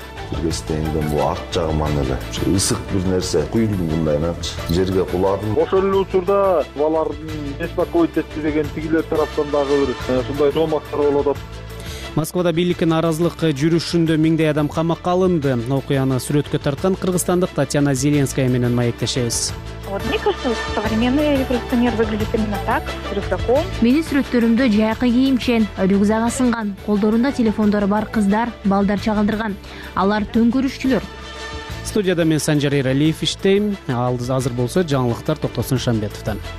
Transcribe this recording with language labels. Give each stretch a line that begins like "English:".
Kyrgyz: Бизнестенден бул арт жагыман эле ысык бир нерсе куюлду, мындайынанчы жерге куладым. Ошол эле учурда алардын беспокойтести деген тигилер тараптан дагы бир ушундай жоомактар болуп атат. Москвада бийликтин нааразылык жүрүшүндө миңдей адам камакка алынды. Окуяны сүрөткө тарткан кыргызстандык Татьяна Зеленская менен маектешебиз.
Russian: Вот мне кажется, современные революционеры выглядят именно так, с рюкзаком.
Kyrgyz: Менин сүрөттөрүмдө жайкы кийимчен, рюкзагы сынган, колдорунда телефондору бар кыздар, балдар чагылдырган. Алар төңкөрүшчүлөр. Студияда мен Санжар Эралиев иштейм. Алдыз азыр болсо жаңылыктар Токтосун Шамбетовтан.